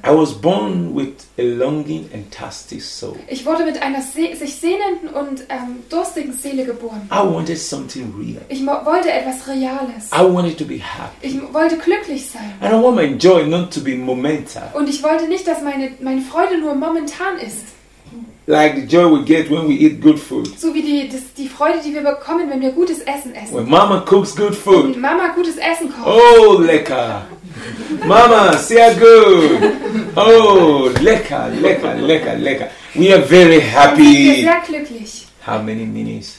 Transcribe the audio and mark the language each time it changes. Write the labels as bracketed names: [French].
[English] I was born with a longing and thirsty soul. [German] Ich wurde mit einer sich sehnenden und durstigen Seele geboren. [English] I wanted something real. [German] Ich wollte etwas Reales. [English] I wanted to be happy. [German] Ich wollte glücklich sein. [English] And I want my joy not to be momentary. [German] Und ich wollte nicht, dass meine Freude nur momentan ist. [English] Like the joy we get when we eat good food. [German] So wie die Freude, die wir bekommen, wenn wir gutes Essen essen. [English] When Mama cooks good food. [German] Wenn Mama gutes Essen kocht. Oh, lecker. Mama, sehr gut. Oh, lecker, lecker, lecker, lecker. [English] We are very happy. [German] Wir sind sehr glücklich. [English] How many minutes?